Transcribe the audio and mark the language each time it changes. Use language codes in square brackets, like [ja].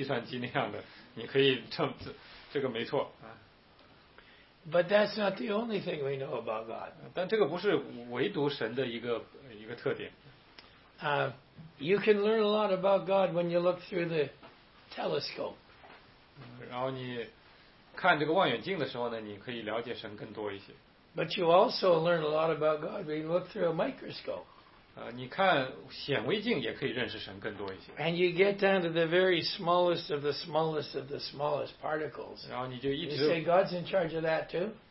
[zh] 他的确是一个巨型计算机那样的，你可以这个没错。 [en] But that's not the only thing we know about God. [zh] 但这个不是唯独神的一个特点。 [en] You can learn a lot about God when you look through the telescope. [zh] 然后你看这个望远镜的时候呢，你可以了解神更多一些。 [en] But you also learn a lot about God when you look through a microscope. [zh] 你看显微镜也可以认识神更多一些。 [en] And you get down to the very smallest of the smallest of the smallest particles. [zh] 然后你就一直 [en] You say God's in charge of that too?